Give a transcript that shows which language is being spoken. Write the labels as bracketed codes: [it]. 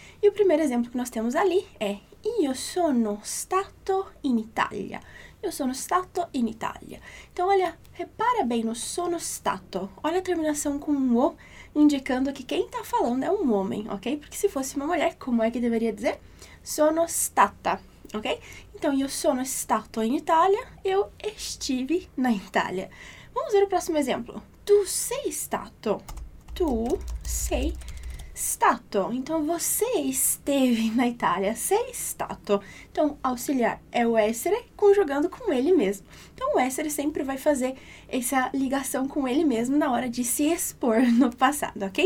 [pt] E o primeiro exemplo que nós temos ali é [it] Io sono stato in Italia. Io sono stato in Italia. [pt] Então, olha, repara bem no [it] sono stato. [pt] Olha a terminação com um O, indicando que quem está falando é um homem, ok? Porque se fosse uma mulher, como é que deveria dizer? [it] Sono stata, ok? [pt] Então, [it] io sono stato in Italia. [pt] Eu estive na Itália. Vamos ver o próximo exemplo. [it] Tu sei stato. Tu sei stato. [pt] Então, você esteve na Itália. [it] Sei stato. [pt] Então, auxiliar é o essere conjugando com ele mesmo. Então, o essere sempre vai fazer essa ligação com ele mesmo na hora de se expor no passado, ok?